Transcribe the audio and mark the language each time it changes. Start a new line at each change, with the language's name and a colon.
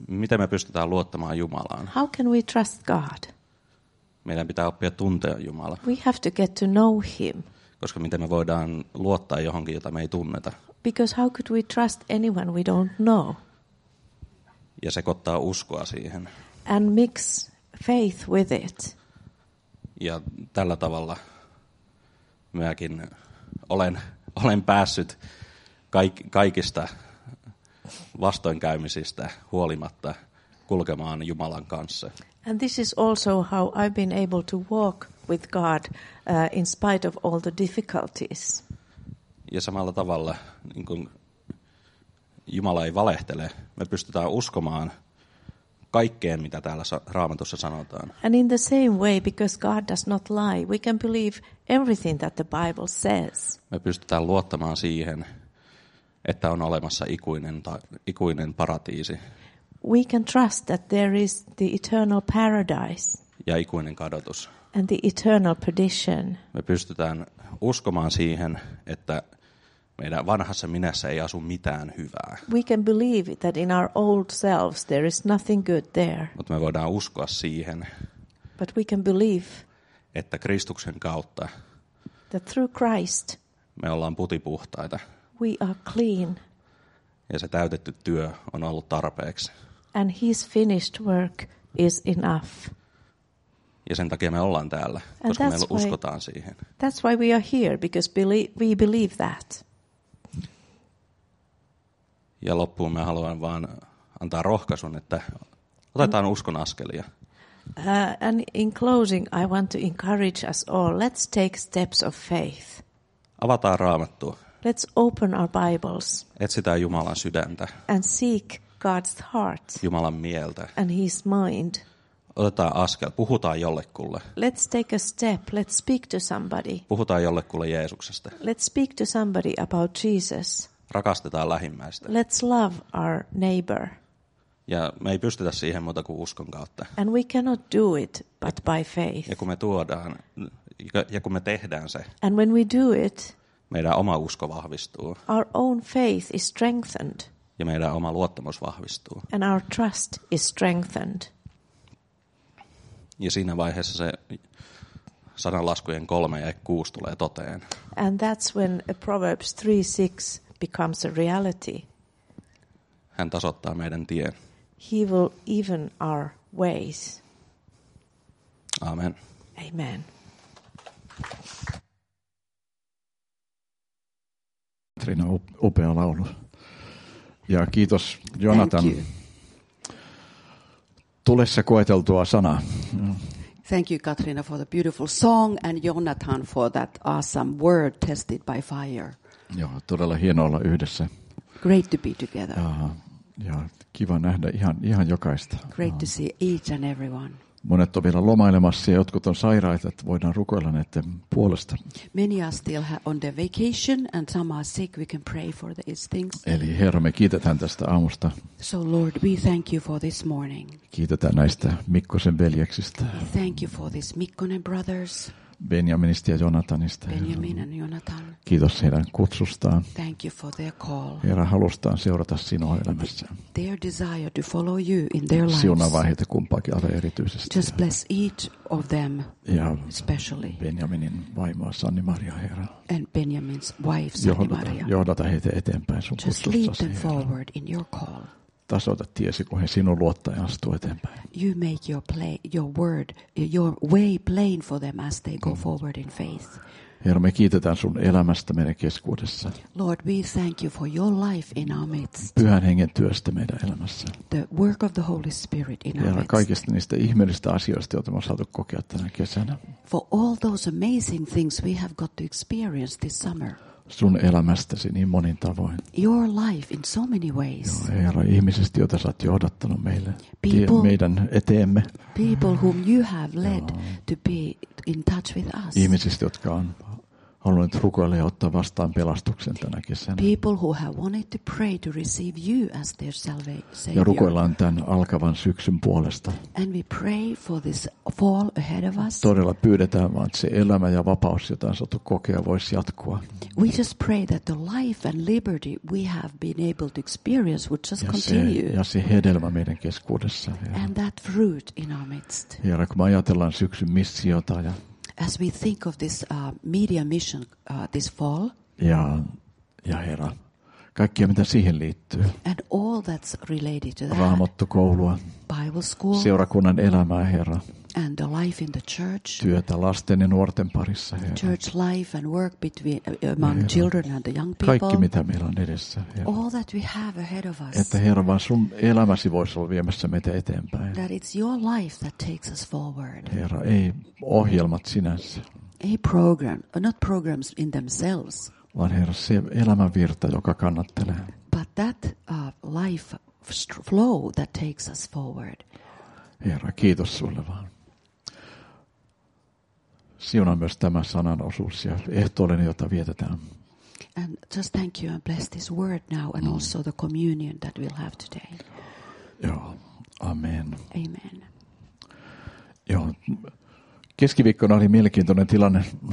Finnish: Miten me pystytään luottamaan Jumalaan?
English: How can we trust God?
Finnish: Meidän pitää oppia tuntea Jumala.
English: We have to get to know him.
Finnish: Koska miten me voidaan luottaa johonkin, jota me ei tunneta?
English: Because how could we trust anyone we don't know?
Finnish: Ja sekoittaa uskoa siihen.
English: And mix faith with it.
Finnish: Ja tällä tavalla minäkin olen päässyt kaikista vastoinkäymisistä huolimatta kulkemaan Jumalan kanssa.
English: And this is also how I've been able to walk with God in spite of all the difficulties.
Finnish: Ja samalla tavalla, niin kuin Jumala ei valehtele, me pystytään uskomaan kaikkeen, mitä täällä Raamatussa sanotaan.
English: And in the same way, because God does not lie, we can believe everything that the Bible says.
Finnish: Me pystytään luottamaan siihen, että on olemassa ikuinen paratiisi.
English: We can trust that there is the eternal paradise.
Finnish: Ja ikuinen kadotus.
English: And the eternal perdition.
Finnish: Me pystytään uskomaan siihen, että meidän vanhassa minässä ei asu mitään hyvää.
English: We can believe that in our old selves there is nothing good there.
Finnish: Mutta me voidaan uskoa siihen.
English: But we can believe
Finnish: että Kristuksen kautta
English: that through Christ
Finnish: me ollaan putipuhtaita.
English: We are clean.
Finnish: Ja se täytetty työ on ollut tarpeeksi.
English: And his finished work is enough.
Finnish: Ja sen takia me ollaan täällä, and koska me uskotaan siihen.
English: That's why we are here, because we believe that.
Finnish: Ja loppuun mä haluan vaan antaa rohkaisun, että otetaan uskon askelia.
English: And in closing, I want to encourage us all. Let's take steps of faith.
Finnish: Avataan Raamattua.
English: Let's open our Bibles.
Finnish: Etsitään Jumalan sydäntä.
English: And seek God's heart.
Finnish: Jumalan mieltä.
English: And his mind.
Finnish: Otetaan askel, puhutaan jollekulle.
English: Let's take a step, let's speak to somebody.
Finnish: Puhutaan jollekulle Jeesuksesta.
English: Let's speak to somebody about Jesus.
Finnish: Rakastetaan lähimmäistä.
English: Let's love our neighbor.
Finnish: Ja me ei pystytä siihen muuta kuin uskon kautta.
English: And we cannot do it but by faith.
Finnish: Ja kun me tuodaan, ja kun me tehdään se.
English: And when we do it,
Finnish: meidän oma usko vahvistuu.
English: Our own faith is strengthened.
Finnish: Ja meidän oma luottamus vahvistuu.
English: And our trust is strengthened.
Finnish: Ja siinä vaiheessa se sananlaskujen 3:6 tulee toteen.
English: And that's when a Proverbs 3:6 becomes a reality.
Finnish: Hän tasoittaa meidän tien.
English: He will even our ways. Amen. Amen.
Finnish: Trina, upea laulu. Ja kiitos Jonathan. Tulessa koeteltua sanaa.
English: Thank you, Katrina, for the beautiful song and Jonathan for that awesome word tested by fire.
Finnish: Joo, todella hieno olla yhdessä.
English: Great to be together.
Finnish: Ja kiva nähdä ihan jokaista.
English: Great to see each and everyone.
Finnish: Monet on vielä lomailemassa ja jotkut on sairaita, että voidaan rukoilla näiden puolesta.
English: Many are still on their vacation and some are sick. We can pray for these things.
Finnish: Eli Herra, me kiitetään tästä aamusta.
English: So Lord, we thank you for this morning.
Finnish: Kiitetään näistä Mikkosen veljeksistä.
English: Thank you for these Mikkonen brothers.
Finnish: Benjaminista ja Jonathanista.
English: Benjamin and Jonathan.
Finnish: Kiitos heidän kutsustaan.
English: Thank you for their call.
Finnish: Herra, halustaan seurata sinua elämässä.
English: Their desire to follow you in their lives.
Finnish: Siunaa heitä kumpaakin aivan erityisesti.
English: Just bless each of them especially.
Finnish: Benjaminin vaimoa Sanni-Maria, Herra.
English: And Benjamin's wife Sanni-Maria.
Finnish: Johdata heitä eteenpäin sun
English: kutsustasi. Just lead them forward in your call.
Finnish: tasoita tiesi, kun he sinun luottaen astuu eteenpäin.
English: You make your way plain for them as they go forward in faith.
Finnish: Herra, me kiitetään sun elämästä meidän keskuudessa.
English: Lord, we thank you for your life in our midst.
Finnish: Pyhän hengen työstä meidän elämässä.
English: The work of the Holy Spirit in our midst.
Finnish: Kaikista niistä ihmeellistä asioista, joita me on saatu kokea tänä kesänä.
English: For all those amazing things we have got to experience this summer.
Finnish: Sun elämästäsi niin monin tavoin.
English: Your life in so many ways.
Finnish: Joo, Herra, ihmisistä, joita sä oot johdattanut meille, meidän eteemme.
English: People whom you have led to be in touch with us.
Finnish: Ihmisistä, jotka on halunnut rukoilla ja ottaa vastaan pelastuksen tänä kesänä.
English: People who have wanted to pray to receive you as their savior.
Finnish: Ja rukoillaan tämän alkavan syksyn puolesta.
English: And we pray for this fall ahead of us.
Finnish: Todella pyydetään vaan, että se elämä ja vapaus, jota on saatu kokea, voisi jatkua.
English: We just pray that the life and liberty we have been able to experience would just continue.
Finnish: Ja se hedelmä meidän keskuudessa.
English: And that fruit in our midst.
Finnish: Herra, kun me ajatellaan syksyn missiota ja
English: as we think of this media mission this fall.
Finnish: Ja Herra, kaikkia mitä siihen liittyy.
English: And all that's related to that.
Finnish: Raamattukoulua.
English: Bible school.
Finnish: Seurakunnan elämää, Herra.
English: And the life in the church.
Finnish: Työtä lasten ja nuorten parissa, Herra.
English: Church life and work between among Herra. Children and the young people.
Finnish: Kaikki mitä meillä on edessä, Herra.
English: All that we have ahead of us.
Finnish: Että Herra, vaan sun elämäsi voisi olla viemässä meitä eteenpäin.
English: That it's your life that takes us forward.
Finnish: Herra, ei ohjelmat sinänsä.
English: A program, not programs in themselves.
Finnish: Vaan Herra, se elämänvirta, joka kannattelee.
English: But that life flow that takes us forward.
Finnish: Herra, kiitos sulle vaan. Siunaa myös tämä sanan osuus ja ehtoollinen, jota vietetään.
English: And just thank you and bless this word now and also the communion that we'll have today.
Finnish: Joo, amen. Amen. Joo, keskiviikkona oli mielenkiintoinen tilanne.